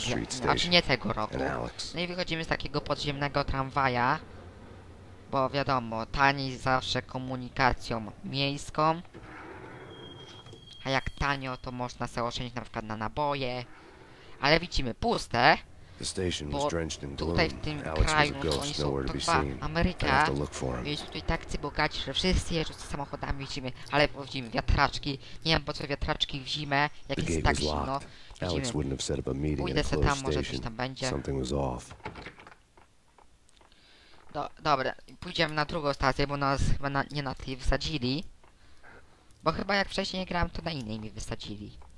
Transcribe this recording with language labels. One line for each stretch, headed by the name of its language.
Polish: Znaczy nie tego roku. No i wychodzimy z takiego podziemnego tramwaja. Bo wiadomo, taniej zawsze komunikacją miejską. A jak tanio, to można sobie oszczędzić na przykład na naboje. Ale widzimy, puste.
English: The station was drenched in gloom. Alex was a ghost, nowhere to be seen. America. I have to look for him.
Polish: Jeśli tutaj tacy bogaci, że wszyscy jeżdżą z samochodami, widzimy, ale widzimy wiatraczki. Nie wiem, po co wiatraczki w zimę, jak jest tak zimno. Widzimy.
English: Alex wouldn't have set up a meeting at a closed station. Something was off.
Polish: Dobra, pójdziemy na drugą stację, bo nas chyba nie na tej wysadzili. Bo chyba jak wcześniej grałem, to na innej mi wysadzili.